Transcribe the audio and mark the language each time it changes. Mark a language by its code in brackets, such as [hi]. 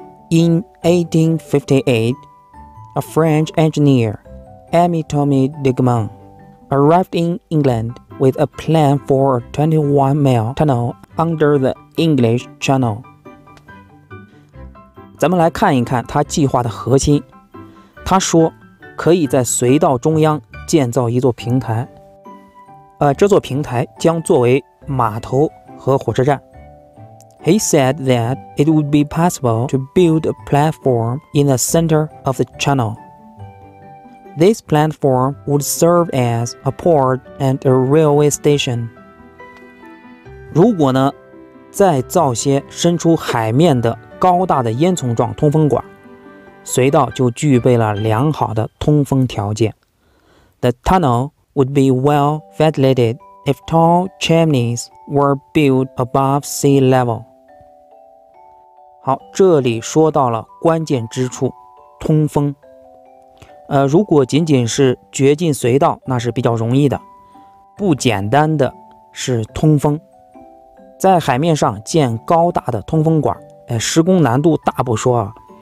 [en] In 1858, a French engineer, Amy Tommy Digman, arrived in England with a plan for a 21-mile tunnel under the English Channel. [zh] 咱们来看一看他计划的核心。他说可以在隧道中央建造一座平台，这座平台将作为码头和火车站。 [en] He said that it would be possible to build a platform in the center of the channel. This platform would serve as a port and a railway station. [zh] 如果呢，再造些伸出海面的高大的烟囱状通风管，隧道就具备了良好的通风条件。 [en] The tunnel would be well ventilated if tall chimneys were built above sea level. [zh] 好，这里说到了关键之处，通风。如果仅仅是掘进隧道，那是比较容易的。不简单的是通风。在海面上建高大的通风管，施工难度大不说啊。